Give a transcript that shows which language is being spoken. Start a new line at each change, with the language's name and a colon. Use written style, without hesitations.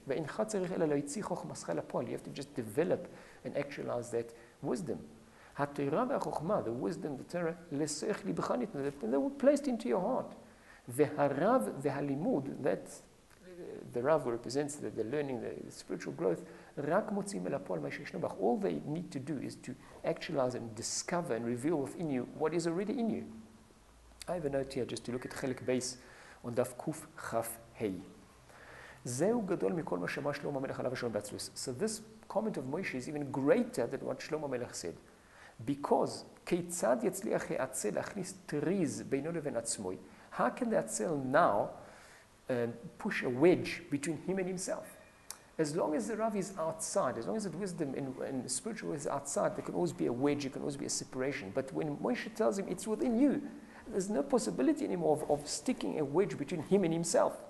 Hebrew: ואינך צריך אלא להוציא חוכמתך לפועל.
English: You have to just develop and actualize that wisdom.
Hebrew: התורה והחוכמה,
English: the wisdom, the Torah,
Hebrew: לשיח ליבך ניתנו,
English: they were placed into your heart.
Hebrew: והרב והלימוד,
English: that the Rav represents the learning, the spiritual growth,
Hebrew: רק מוציאים אל הפועל מה שישנו בך.
English: All they need to do is to actualize and discover and reveal within you what is already in you. I have a note here just to look at חלק בייס on דף קוף חף היי.
Hebrew: זהו גדול מכל מה שמה שלום המלך עליו השלום בעצלוס.
English: So this comment of Moshe is even greater than what שלום המלך said. Because
Hebrew: כיצד יצליח העצל להכניס טריז בינו לבין עצמוי?
English: How can the Atzel now push a wedge between him and himself? As long as the Rav is outside, as long as the wisdom and spiritual is outside, there can always be a wedge, there can always be a separation. But when Moshe tells him, it's within you, there's no possibility anymore of sticking a wedge between him and himself.